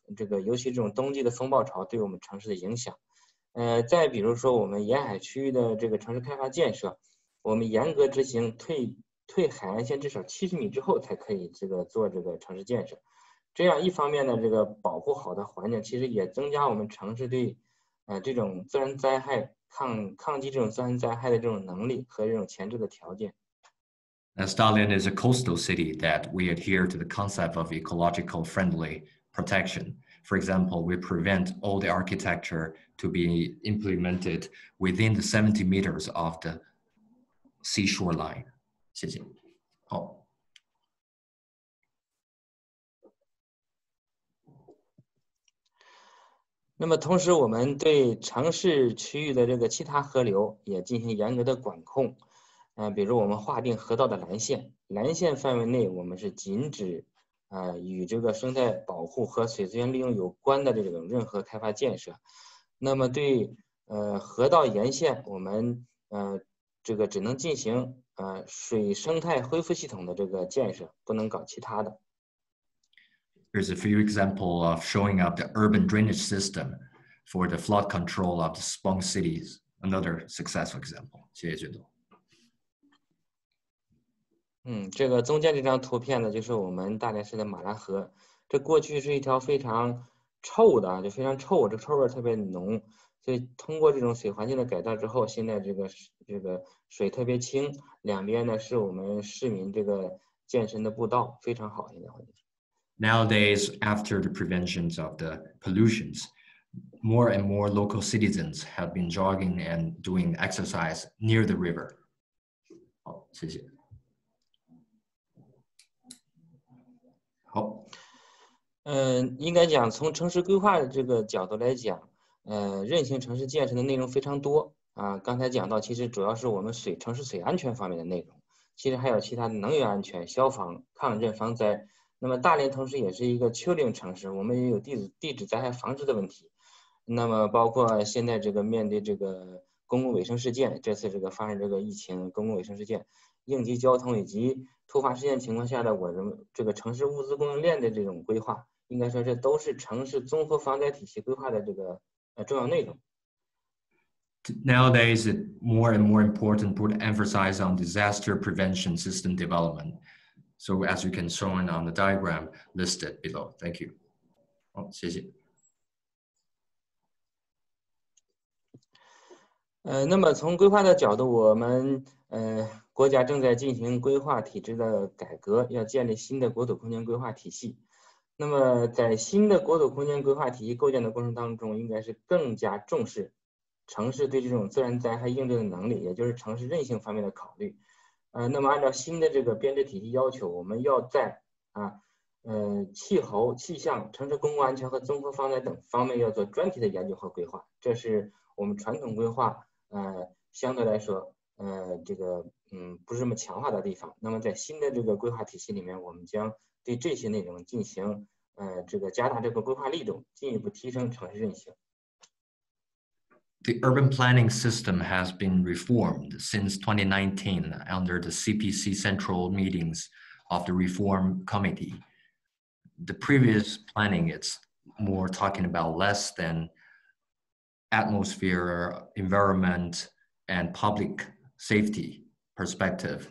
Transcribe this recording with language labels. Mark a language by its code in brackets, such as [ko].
[zh] 这个尤其这种冬季的风暴潮对我们城市的影响，再比如说我们沿海区域的这个城市开发建设，我们严格执行退海岸线至少70米之后才可以这个做这个城市建设，这样一方面呢，这个保护好的环境，其实也增加我们城市对这种自然灾害抗击这种自然灾害的这种能力和这种前置的条件。 [en] As Dalian is a coastal city, that we adhere to the concept of ecological friendly. Protection. For example, we prevent all the architecture to be implemented within the 70 meters of the seashore line. [zh] 谢谢。好。那么同时我们对城市区域的这个其他河流也进行严格的管控。比如我们划定河道的蓝线，蓝线范围内我们是禁止与这个生态保护和水资源利用有关的这种任何开发建设，那么对河道沿线，我们这个只能进行水生态恢复系统的这个建设，不能搞其他的。 [en] There's a few examples of showing up the urban drainage system for the flood control of the Spong cities. Another successful example. [zh] 谢谢君总。这个中间这张图片呢，就是我们大连市的马兰河。这过去是一条非常臭的，就非常臭，这臭味特别浓。所以通过这种水环境的改造之后，现在这个水特别清，两边呢是我们市民这个健身的步道，非常好。现在环境。 [en] Nowadays, after the preventions of the pollutions, more and more local citizens have been jogging and doing exercise near the river. [zh] 好，谢谢。应该讲从城市规划的这个角度来讲，韧性城市建设的内容非常多啊。刚才讲到，其实主要是我们城市水安全方面的内容，其实还有其他的能源安全、消防、抗震、防灾。那么大连同时也是一个丘陵城市，我们也有地质灾害防治的问题。那么包括现在这个面对这个公共卫生事件，这次这个发生这个疫情公共卫生事件，应急交通以及突发事件情况下的我们这个城市物资供应链的这种规划，应该说这都是城市综合防灾体系规划的这个重要内容。 [en] Nowadays, it's more and more important to put emphasis on disaster prevention system development. So as you can show on the diagram listed below. Thank you. [zh] 好，谢谢。那么从规划的角度，我们国家正在进行规划体制的改革，要建立新的国土空间规划体系。那么在新的国土空间规划体系构建的过程当中，应该是更加重视城市对这种自然灾害应对的能力，也就是城市韧性方面的考虑。那么按照新的这个编制体系要求，我们要在气候、气象、城市公共安全和综合防灾等方面要做专题的研究和规划，这是我们传统规划相对来说不是那么强化的地方。那么在新的这个规划体系里面，我们将对这些内容进行这个加大这个规划力度，进一步提升城市韧性。 [en] The urban planning system has been reformed since 2019 under the CPC central meetings of the reform committee. The previous planning is more talking about less than atmosphere, environment, and public safety. Perspective.